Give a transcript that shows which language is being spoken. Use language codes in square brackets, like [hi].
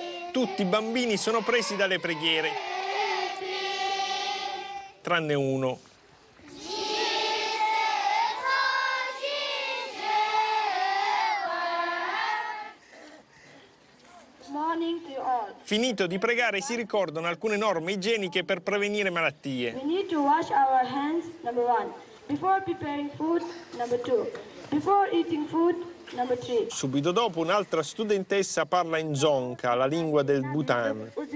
[it] Tutti i bambini sono presi dalle preghiere, tranne uno. Finito di pregare, si ricordano alcune norme igieniche per prevenire malattie. [en] We need to wash our hands, number one. Before preparing food, number two. Before eating food, [it] subito dopo un'altra studentessa parla in Dzongkha, la lingua del Bhutan.